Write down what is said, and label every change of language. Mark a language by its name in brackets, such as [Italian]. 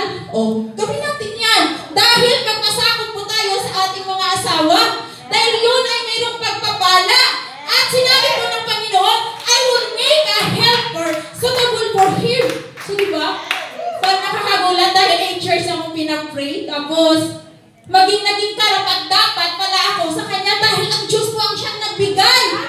[Filipino] Oh, gawin natin yan. Dahil magkasakop po tayo sa ating mga asawa, dahil yun ay mayroong pagpapala. At sinabi po ng Panginoon, [English] I will make a helper suitable for him. [Filipino] So, di ba? Pag nakakagulat dahil ay church na mong pinag-pray, tapos maging naging karapat dapat pala ako sa kanya dahil ang Diyos po ang siyang nagbigay.